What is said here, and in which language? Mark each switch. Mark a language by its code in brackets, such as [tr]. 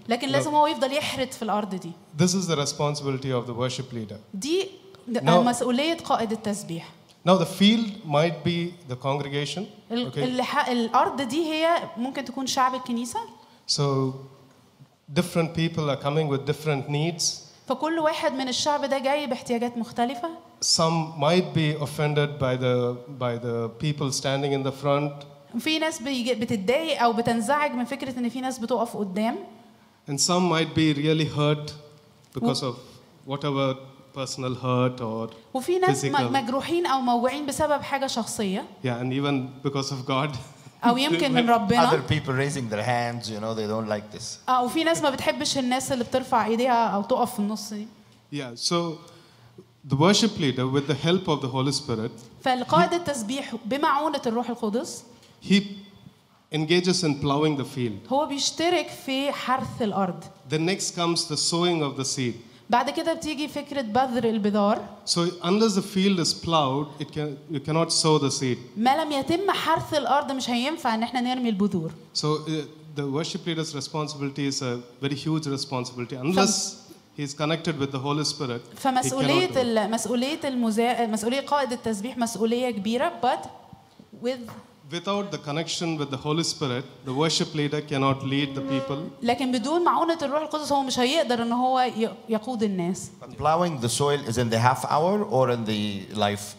[ar] لكن لازم هو يفضل يحرث في الأرض دي. [en] This is the responsibility of the worship leader. [ar] دي مسؤولية قائد التسبيح. [en] Now the field might be the congregation. Okay. [ar] الأرض دي هي ممكن تكون شعب الكنيسة. [en] So different people are coming with different needs. [ar] فكل واحد من الشعب ده جاي باحتياجات مختلفة. [en] Some might be offended by the people standing in the front. [ar] في ناس بتتضايق او بتنزعج من فكره ان في ناس بتقف قدام [en] and some might be really hurt because of whatever personal hurt or [ar] وفي ناس مجروحين او موجوعين بسبب حاجه شخصيه [en] yeah and even because of God [ar] او يمكن من ربنا [en] other people raising their hands you know they don't like this [ar] وفي ناس ما بتحبش الناس اللي بترفع ايديها او تقف في النص دي [en] yeah so the worship leader with the help of the Holy Spirit [ar] فالقائد التسبيح بمعونه الروح القدس [en] he engages in plowing the field [ar] هو بيشترك في حرث الارض [en] then next comes the sowing of the seed [ar] بعد كده بتيجي فكره بذر البذار [en] so unless the field is plowed it can you cannot sow the seed [ar] ما لم يتم حرث الارض مش هينفع ان احنا نرمي البذور [en] so the worship leader's responsibility is a very huge responsibility unless he is connected with the holy spirit [ar] فمسؤوليه المسؤوليه مسؤوليه قائد التسبيح مسؤوليه كبيره but [en] without the connection with the holy spirit the worship leader cannot lead the people [ar] لكن بدون معونه الروح القدس هو مش هيقدر ان هو يقود الناس [en] but plowing the soil is in the half hour or in the life